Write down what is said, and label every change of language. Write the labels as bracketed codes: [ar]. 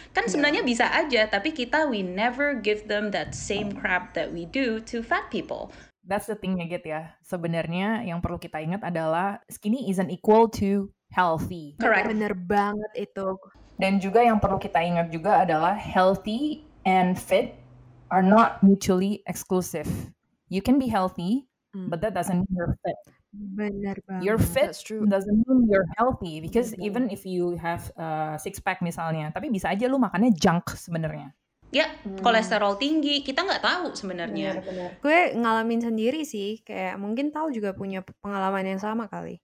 [id] Kan sebenarnya bisa aja, tapi kita [en] we never give them that same crap that we do to fat people. That's the thing, Megit, ya. [id] Sebenarnya yang perlu kita ingat adalah [en] skinny isn't equal to healthy. Correct. [id] Bener banget itu. Dan juga yang perlu kita ingat juga adalah [en] healthy and fit are not mutually exclusive. You can be healthy, but that doesn't mean you're fit. [id] Bener banget. [en] You're fit doesn't mean you're healthy. Because even if you have a six-pack [id] misalnya, tapi bisa aja lu makannya junk sebenarnya. Ya, kolesterol tinggi, kita nggak tahu sebenarnya. Gue ngalamin sendiri sih, kayak mungkin tahu juga punya pengalaman yang sama kali.